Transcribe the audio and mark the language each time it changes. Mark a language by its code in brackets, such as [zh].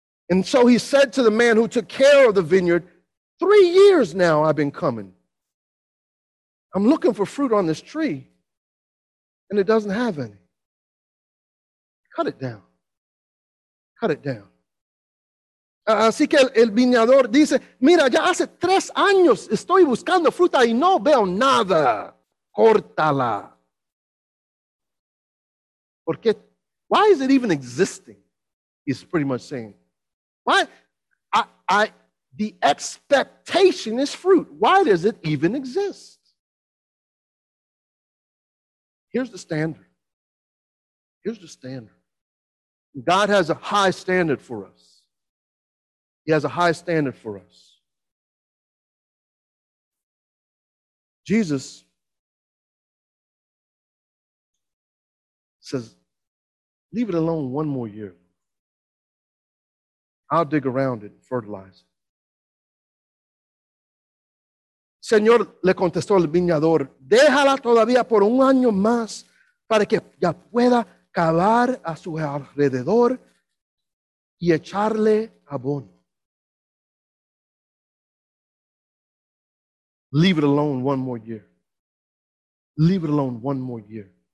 [en] And so he said to the man who took care of the vineyard, 3 years now I've been coming. I'm looking for fruit on this tree, and it doesn't have any. Cut it down. Cut it down. [es] Así que el viñador dice, mira, ya hace 3 años estoy buscando fruta y no veo nada. Córtala. Porque, [en] why is it even existing? He's pretty much saying. Why? The expectation is fruit. Why does it even exist? Here's the standard. Here's the standard. God has a high standard for us. He has a high standard for us. Jesus says, leave it alone one more year. I'll dig around it and fertilize it. [es] Señor, le contestó el viñador, déjala todavía por un año más para que ya pueda cavar a su alrededor y echarle abono. [en] Leave it alone one more year. Leave it alone one more year.